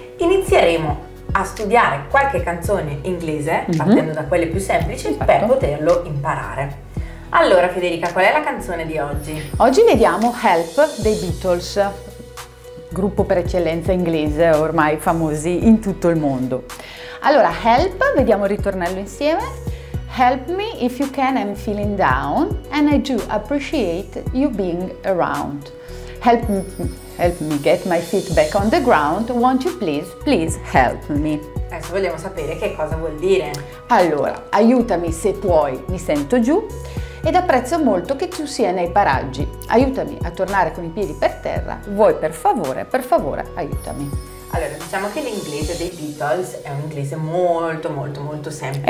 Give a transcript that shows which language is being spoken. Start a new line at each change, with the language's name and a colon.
Italian: Inizieremo a studiare qualche canzone inglese, partendo da quelle più semplici, per poterlo imparare. Allora Federica, qual è la canzone di oggi? Oggi vediamo Help dei Beatles, gruppo per eccellenza inglese, ormai famosi in tutto il mondo. Allora, Help, vediamo il ritornello insieme.
English: Help me if you can, I'm feeling down, and I do appreciate you being around. Help me get my feet back on the ground, won't you please, please help me.
Italian: Adesso vogliamo sapere che cosa vuol dire. Allora, aiutami se puoi, mi sento giù. Ed apprezzo molto che tu sia nei paraggi. Aiutami a tornare con i piedi per terra. Vuoi per favore, aiutami. Allora, diciamo che l'inglese dei Beatles è un inglese molto, molto, molto semplice.